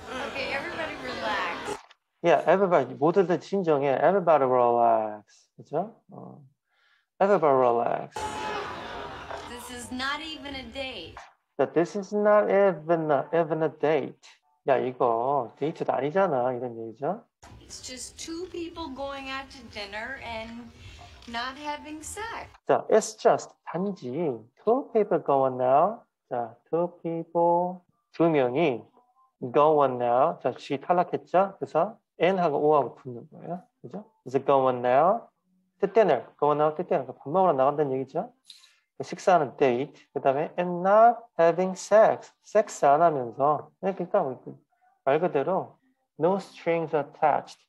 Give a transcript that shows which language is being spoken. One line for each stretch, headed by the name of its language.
English: Okay, everybody relax. Yeah, everybody.
Korean: 모두들 진정해.
English: Everybody relax.
Korean: 그렇죠?
English: Everybody relax. This is not even a date. That this is not even a date.
Korean: 야, 이거 데이트도 아니잖아. 이런 얘기죠?
English: It's just two people going out to dinner and not having sex. 자, it's just
Korean: 단지
English: two people going out. 자, two people
Korean: 두 명이
English: go on now.
Korean: 자, G 탈락했죠? 그래서 N하고 O하고 붙는 거예요.
English: 그죠? Is it go on now? To dinner. Go on now to dinner.
Korean: 밥 먹으러 나간다는 얘기죠? 식사하는 date. 그 다음에
English: and not having sex.
Korean: 섹스 안 하면서. 그러니까 말 그대로
English: no strings attached.